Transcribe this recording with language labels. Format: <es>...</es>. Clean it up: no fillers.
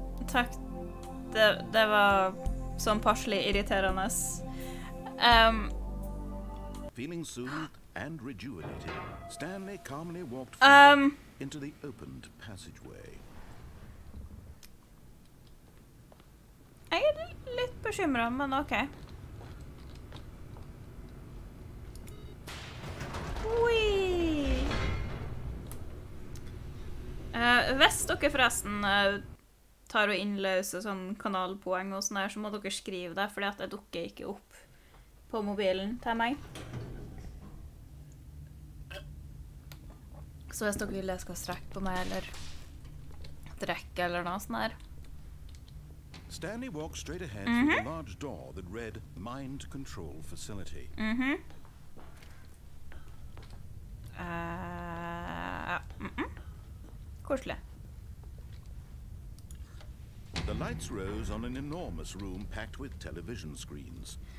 <no>Takk. Det var sånn partially irriterende.</no> <en>Feeling soothed and rejuvenated, Stanley calmly walked into the opened passageway.</en> <no>Jeg litt bekymret, men okay. Oi! Hvis dere forresten tar og innløser sånn kanalpoeng og sånn der, så må dere skrive det, fordi at jeg dukker ikke opp på mobilen til meg. Så hvis dere vil, jeg skal strekke på meg, eller drekke, eller noe sånt der.</no> <en>Stanley walked straight ahead mm-hmm. through the large door that read Mind Control Facility.</en> <no>Mm-hmm. Koselig.</no> <en>The lights rose on an enormous room packed with television screens.</en>